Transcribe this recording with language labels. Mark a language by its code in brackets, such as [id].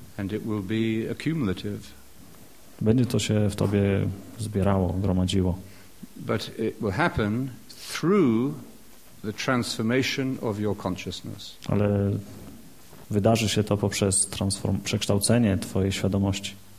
[en] And it will be accumulative. [pl] Będzie to się w tobie zbierało, gromadziło. [en] But it will happen through the transformation of your consciousness. [pl] Ale wydarzy się to poprzez przekształcenie twojej świadomości.